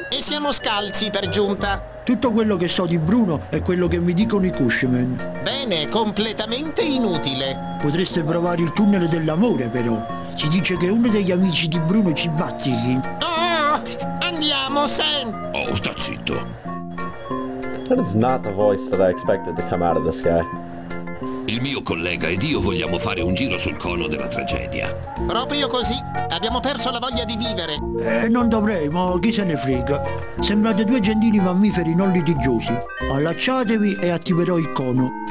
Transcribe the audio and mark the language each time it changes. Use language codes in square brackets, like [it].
[it] E siamo scalzi per giunta. Tutto quello che so di Bruno è quello che mi dicono i Cushman. Bene, completamente inutile. Potreste provare il tunnel dell'amore però. Si dice che uno degli amici di Bruno ci battesi. Oh, andiamo, Sam! Oh, sta zitto. [en] That is not the voice that I expected to come out of this guy. [it] Il mio collega ed io vogliamo fare un giro sul cono della tragedia. Proprio così. Abbiamo perso la voglia di vivere. Non dovrei, ma chi se ne frega. Sembrate due gentili mammiferi non litigiosi. Allacciatevi e attiverò il cono.